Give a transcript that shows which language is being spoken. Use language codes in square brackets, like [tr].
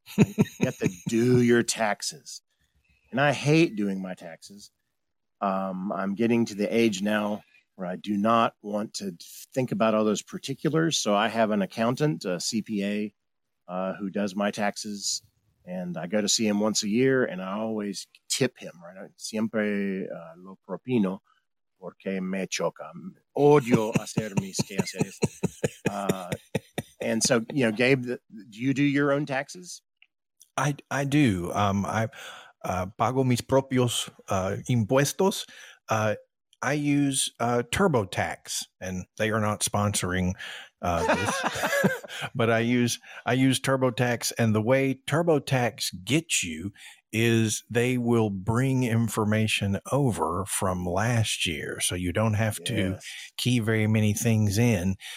[en] You have to do your taxes. And I hate doing my taxes. I'm getting to the age now where I do not want to think about all those particulars. So I have an accountant, a CPA, who does my taxes. And I go to see him once a year, and I always tip him, right? [es] Siempre lo propino, porque me choca. Odio hacer mis quehaceres. [en] And so, you know, Gabe, do you do your own taxes? I do. I [es] pago mis propios impuestos. [en] I use TurboTax, and they are not sponsoring this, but I use TurboTax, and the way TurboTax gets you is they will bring information over from last year, so you don't have to key very many things in.